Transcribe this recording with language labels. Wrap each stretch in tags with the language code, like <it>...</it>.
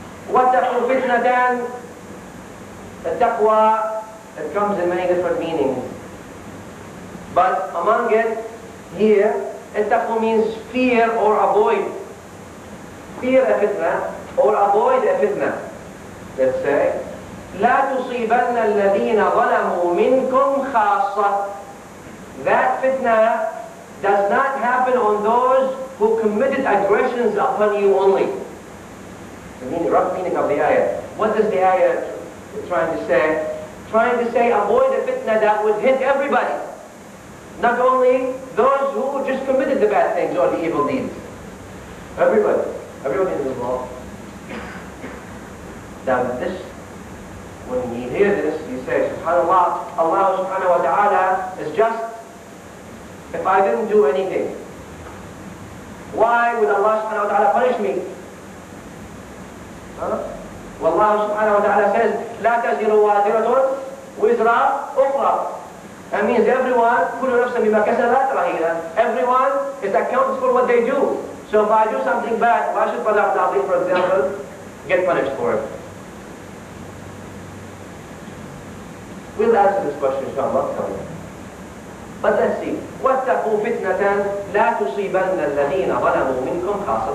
<ar>وَاتَّقُوا فِتْنَةً.</ar> <en>The taqwa, it comes in many different meanings. But among it, here, التَّقْوَى means fear or avoid. Fear a fitna or avoid a fitna. Let's say,</en> <ar>لا تصيبن الذين ظلموا منكم خاصة.</ar> <en>That fitna does not happen on those who committed aggressions upon you only. The meaning, rough meaning of the ayah. What is the ayah trying to say? Trying to say avoid a fitna that would hit everybody. Not only those who just committed the bad things or the evil deeds. Everybody. Everybody knows law. Now this, when you hear this, you say, SubhanAllah, Allah subhanahu wa ta'ala is just, if I didn't do anything, why would Allah subhanahu wa ta'ala punish me? Huh? Well, Allah subhanahu wa ta'ala says,</en> <ar>لا تزر وازرة وزر أخرى.</ar> <en>That means everyone,</en> <ar>كل نفس بما كسبت رهينة.</ar> <en>Everyone is accountable for what they do. So if I do something bad, why should Badr Dabi, for example, get punished for it? We'll answer this question inshallah coming up. But let's see.</en> <ar>وَاتَّقُوا فِتْنَةً لَا تُصِيبَنَّ الَّذِينَ ظَلَمُوا مِنْكُمْ خَاصَ.</ar>